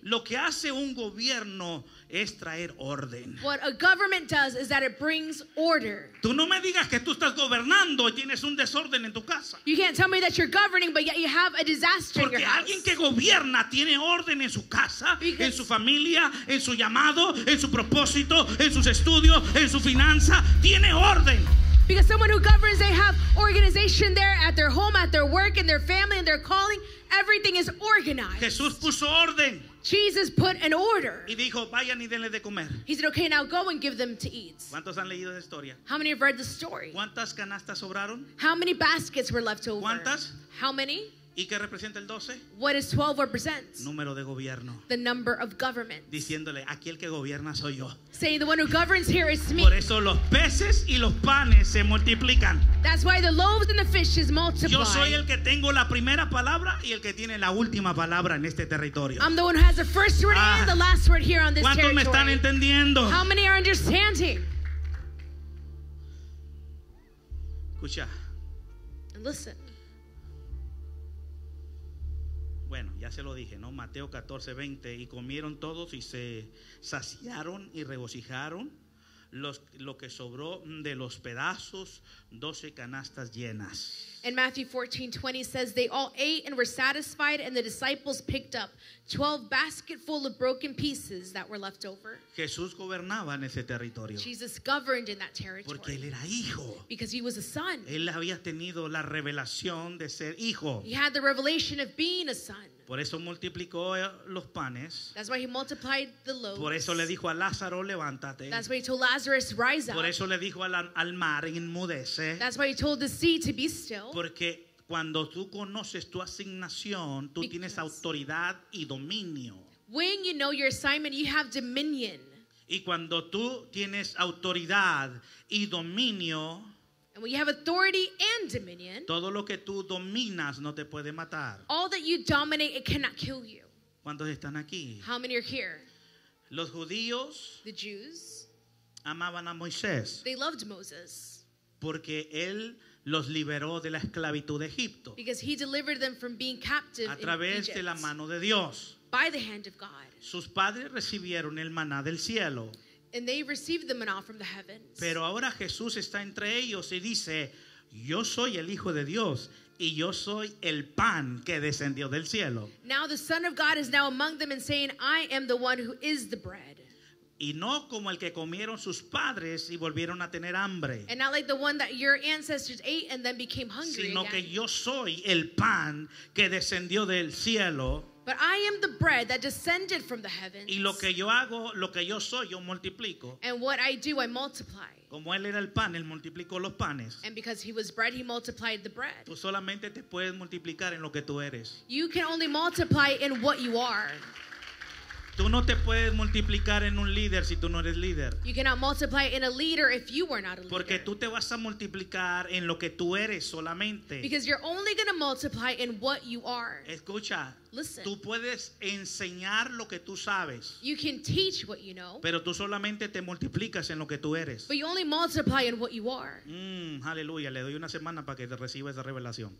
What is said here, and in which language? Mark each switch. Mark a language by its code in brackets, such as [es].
[es] Lo que hace un gobierno es traer orden. [en] What a government does is that it brings order. [es] Tú no me digas que tú estás gobernando y tienes un desorden en tu casa. [en] You can't tell me that you're governing but yet you have a disaster [es] porque [en] in your house. [es] Alguien que gobierna tiene orden en su casa, [en] because [es] en su familia, en su llamado, en su propósito, en sus estudios, en su finanza, tiene orden. [en] Because someone who governs, they have organization there at their home, at their work, in their family, in their calling. Everything is organized. [es] Jesús puso orden. [en] Jesus put an order. [es] Y dijo, vayan y denle de comer. [en] He said, okay, now go and give them to eat. [es] ¿Cuántos han leído esa historia? [en] How many have read the story? [es] ¿Cuántas canastas sobraron? [en] How many baskets were left over? [es] ¿Cuántas? [en] How many? [es] ¿Y qué representa el 12? [en] What does 12 represent? [es] Número de gobierno. [en] The number of government. [es] Diciéndole, aquí el que gobierna soy yo. [en] Saying the one who governs here is me. [es] Por eso los peces y los panes se multiplican. [en] That's why the loaves and the fishes multiply. [es] Yo soy el que tengo la primera palabra y el que tiene la última palabra en este territorio. [en] I'm the one who has the first word and the last word here on this territory. [es] ¿Cuántos me están entendiendo? [en] How many are understanding? [es] Escucha. [en] And listen. [es] Bueno, ya se lo dije, ¿no? Mateo 14, 20. Y comieron todos y se saciaron y regocijaron lo que sobró de los pedazos, 12 canastas llenas. [en] In Matthew 14:20 says, they all ate and were satisfied, and the disciples picked up 12 basketful of broken pieces that were left over. [es] Jesús gobernaba en ese territorio. [en] Jesus governed in that territory. [es] Porque él era hijo. [en] Because he was a son. [es] Él había tenido la revelación de ser hijo. [en] He had the revelation of being a son. [es] Por eso multiplicó los panes. [en] That's why he multiplied the loaves. [es] Por eso le dijo a Lázaro, levántate. [en] That's why he told Lazarus, rise up. [es] Por eso le dijo al mar, enmudece. [en] That's why he told the sea to be still. [es] Porque cuando tú conoces tu asignación, tú tienes autoridad y dominio. [en] When you know your assignment, you have dominion. [es] Y cuando tú tienes autoridad y dominio, [en] and when you have authority and dominion, [es] todo lo que tú dominas no te puede matar. [en] All that you dominate, it cannot kill you. [es] ¿Cuántos están aquí? [en] How many are here? [es] Los judíos, [en] the Jews, [es] amaban a Moisés. [en] They loved Moses. [es] Porque él los liberó de la esclavitud de Egipto. [en] Because he delivered them from being captive in Egypt. [es] A través de la mano de Dios. [en] By the hand of God. [es] Sus padres recibieron el maná del cielo. [en] And they received the maná from the heavens. [es] Pero ahora Jesús está entre ellos y dice, yo soy el Hijo de Dios y yo soy el pan que descendió del cielo. [en] Now the Son of God is now among them and saying, I am the one who is the bread. [es] Y no como el que comieron sus padres y volvieron a tener hambre. [en] And not like the one that your ancestors ate and then became hungry [es] sino [en] again. [es] Sino que yo soy el pan que descendió del cielo. [en] But I am the bread that descended from the heavens. [es] Y lo que yo hago, lo que yo soy, yo multiplico. [en] And what I do, I multiply. [es] Como él era el pan, él multiplicó los panes. [en] And because he was bread, he multiplied the bread. [es] Tú solamente te puedes multiplicar en lo que tú eres. [en] You can only multiply in what you are. [es] Tú no te puedes multiplicar en un líder si tú no eres líder. [en] You cannot multiply in a leader if you are not a leader. [es] Porque tú te vas a multiplicar en lo que tú eres solamente. [en] Because you're only going to multiply in what you are. [es] Escucha. [en] Listen. [es] Tú puedes enseñar lo que tú sabes. [en] You can teach what you know. [es] Pero tú solamente te multiplicas en lo que tú eres. [en] But you only multiply in what you are. [es] Aleluya. Le doy una semana para que te reciba esa revelación.